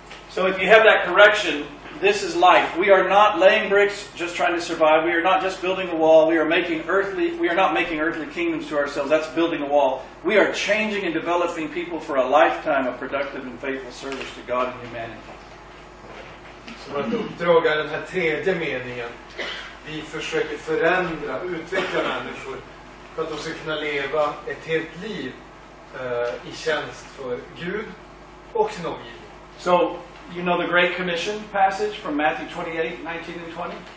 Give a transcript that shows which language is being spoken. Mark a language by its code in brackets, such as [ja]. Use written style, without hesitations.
[en] So if you have that correction, this is life. We are not laying bricks just trying to survive. We are not just building a wall. We are not making earthly kingdoms to ourselves. That's building a wall. We are changing and developing people for a lifetime of productive and faithful service to God and humanity. [sv] Så vårt uppdrag är den här tredje meningen. Vi försöker förändra, utveckla människor för att de ska kunna leva ett helt liv i tjänst för Gud och sin omgivning. [en] So, you know the Great Commission passage from Matthew 28, 19 and 20?